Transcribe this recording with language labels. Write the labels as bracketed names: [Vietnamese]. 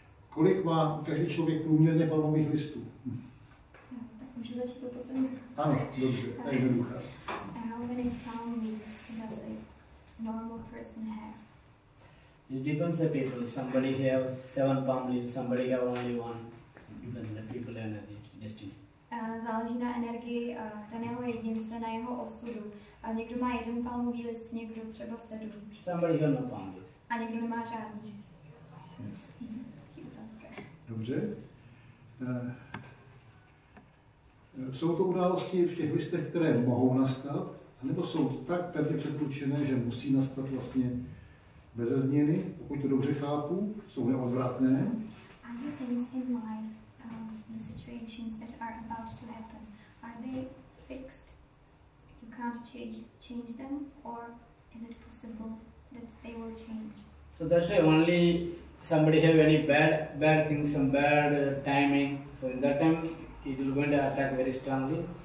[Czech] Kolik má každý člověk průměrně palmových listů? Můžu začít to poslední? Ano, dobře, a jednoduchá. [English] How many palm leaves does a normal person have? It depends on people. Somebody have 7 palm leaves, somebody have only 1. Depends on the people energy, destiny. [Czech] Záleží na energii daného jedince, na jeho osudu. A někdo má jeden palmový list, někdo třeba 7. [English] Somebody have no palm leaves. [Czech] A někdo nemá žádný. [English] Yes. [Czech] Dobře. Jsou to události v těch listech, které mohou nastat, anebo jsou tak pevně předurčené, že musí nastat vlastně bez změny, pokud to dobře chápu, jsou neodvratné. [English] Are there things in life, the situations that are about to happen, are they fixed? You can't change them, or is it possible that they will change? So that's why only somebody have any bad things, some bad timing, so in that time it will going to attack very strongly.